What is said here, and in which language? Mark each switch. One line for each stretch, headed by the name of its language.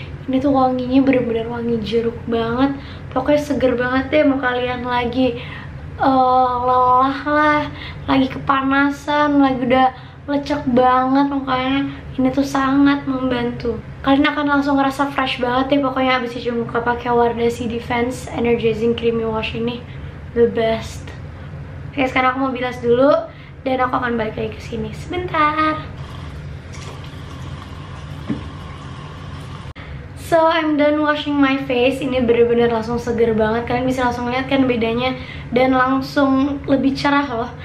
Indonesian: Ini tuh wanginya bener-bener wangi jeruk banget. Pokoknya seger banget deh, mau kalian lagi lelah lah, lagi kepanasan, lagi udah lecek banget, makanya ini tuh sangat membantu. Kalian akan langsung ngerasa fresh banget deh pokoknya abis cuci muka pakai Wardah C Defense Energizing Creamy Wash ini.
English: The best.
Indonesian: Oke, sekarang aku mau bilas dulu dan aku akan balik lagi ke sini sebentar.
English: So, I'm done washing my face.
Indonesian: Ini benar-benar langsung seger banget. Kalian bisa langsung lihat kan bedanya dan langsung lebih cerah loh.